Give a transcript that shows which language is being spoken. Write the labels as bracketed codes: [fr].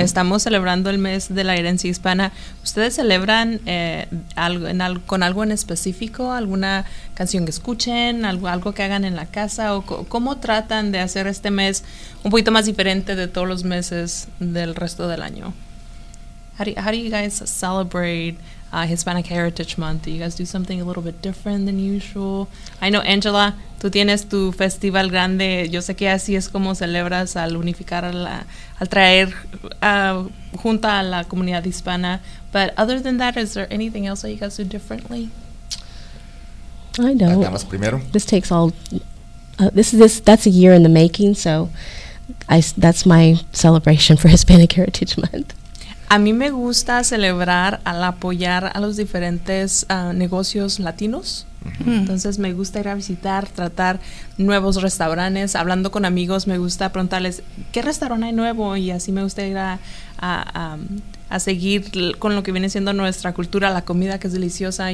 [es] Estamos celebrando el mes de la herencia hispana. ¿Ustedes celebran con algo en específico? ¿Alguna canción que escuchen? ¿Algo que hagan en la casa? ¿O cómo tratan de hacer este mes un poquito más diferente de todos los meses del resto del año? [en] How do you guys celebrate Hispanic Heritage Month? Do you guys do something a little bit different than usual? I know, Angela, [es] tú tienes tu festival grande. Yo sé que así es como celebras al unificar, al traer junta a la comunidad hispana. [en] But other than that, is there anything else that you guys do differently? I don't. [es] Damas primero. [en] This takes all... That's a year in the making, so that's my celebration for Hispanic Heritage Month. [es] A mí me gusta celebrar al apoyar a los diferentes negocios latinos. Mm-hmm. Entonces me gusta ir a visitar, tratar nuevos restaurantes. Hablando con amigos, me gusta preguntarles, ¿qué restaurante hay nuevo? Y así me gusta ir a seguir con lo que viene siendo nuestra cultura, la comida que es deliciosa.